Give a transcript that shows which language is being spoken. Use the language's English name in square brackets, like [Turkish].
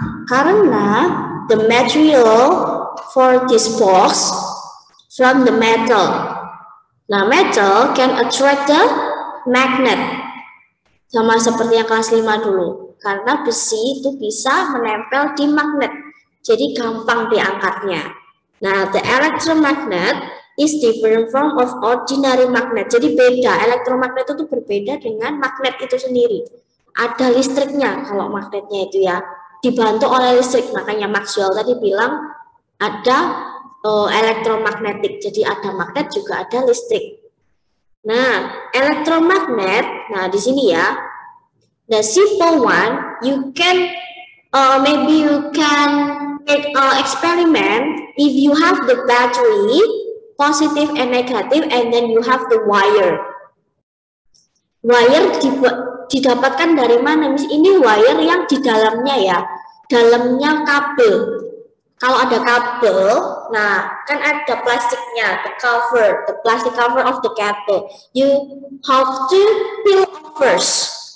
[English] Karena the material for this box from the metal. Nah, metal can attract the magnet. [Indonesian] Sama seperti yang kelas 5 dulu. Karena besi itu bisa menempel di magnet. Jadi gampang diangkatnya. [English] Nah, the electromagnet is different from of ordinary magnet. [Indonesian] Jadi beda, elektromagnet itu berbeda dengan magnet itu sendiri. Ada listriknya kalau magnetnya itu ya. Dibantu oleh listrik, makanya Maxwell tadi bilang ada elektromagnetik, jadi ada magnet juga ada listrik. [English] Nah, elektromagnet, [Indonesian] nah di sini ya, [English] the simple one, you can maybe you can make a experiment if you have the battery positive and negative, and then you have the wire. [Indonesian] Wire didapatkan dari mana? Ini wire yang di dalamnya ya. Dalamnya kabel. Kalau ada kabel, nah kan ada plastiknya, [English] the plastic cover of the kabel. You have to peel first.